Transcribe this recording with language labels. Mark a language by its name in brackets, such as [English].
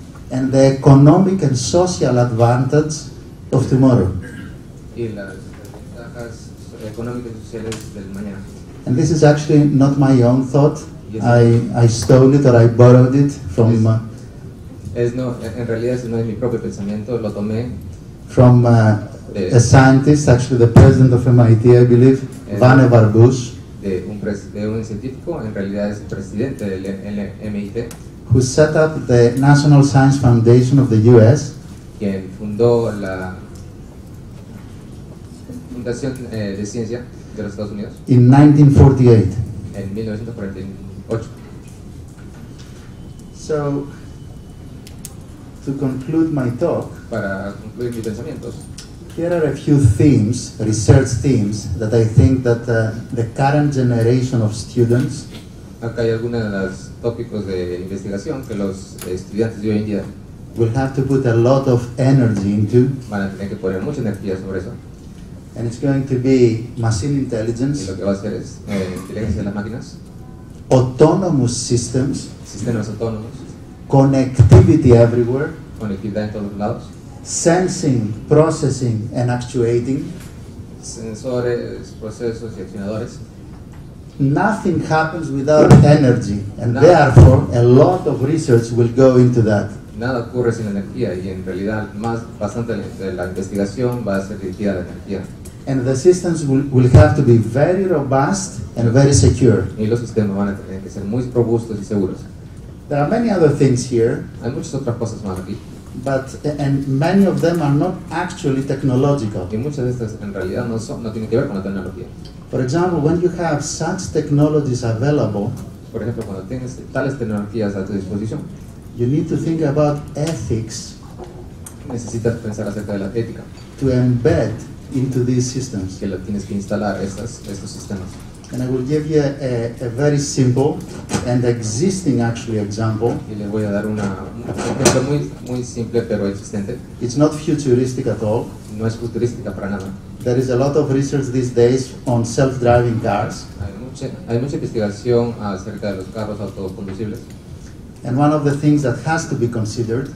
[English] and the economic and social advantage of tomorrow, [Spanish] y las ventajas económicas y sociales del mañana. [English] And this is actually not my own thought. I stole it or I borrowed it from [Spanish] En realidad eso no es mi propio pensamiento, lo tomé [English] from a scientist, actually the president of MIT, I believe, Vannevar Bush, [Spanish] de un científico, en realidad es presidente del MIT, [English] who set up the National Science Foundation of the US, [Spanish] quien fundó la Fundación de Ciencia de los Estados Unidos, [English] in 1948. [Spanish] En 1948. [English] So, to conclude my talk, [Spanish] para concluir mis pensamientos, [English] here are a few themes, research themes, that I think that the current generation of students, [Spanish] acá hay algunos de los tópicos de investigación que los estudiantes de hoy en día [English] will have to put a lot of energy into, [Spanish] van a tener que poner mucha energía sobre eso, [English] and it's going to be machine intelligence, [Spanish] y lo que va a ser es inteligencia de las máquinas, [English] autonomous systems, [Spanish] sistemas autónomos, [English] connectivity everywhere, [Spanish] conectividad en todos lados. [English] Sensing, processing and actuating. [Spanish] Sensores, procesos y accionadores. [English] Nothing happens without energy, and therefore a lot of research will go into that. [Spanish] Nada ocurre sin energía, y en realidad más bastante de la investigación va a ser dirigida a la energía. [English] And the systems will have to be very robust and very secure. [Spanish] Y los sistemas van a tener que ser muy robustos y seguros. [English] There are many other things here. [Spanish] Hay muchas otras cosas más aquí. [English] But and many of them are not actually technological. [Spanish] Y muchas de estas en realidad no tienen que ver con la tecnología. [English] For example, when you have such technologies available, [Spanish] por ejemplo, cuando tienes tales tecnologías a tu disposición, [English] you need to think about ethics. [Spanish] Necesitas pensar acerca de la ética. [English] To embed into these systems. [Spanish] Que lo tienes que instalar estos sistemas. [English] And I will give you a very simple and existing actually example. [Spanish] Y les voy a dar un ejemplo muy muy simple pero existente. [English] It's not futuristic at all. [Spanish] No es futurística para nada. [English] There is a lot of research these days on self-driving cars. [Spanish] Hay mucha investigación acerca de los carros autoconducibles. [English] And one of the things that has to be considered,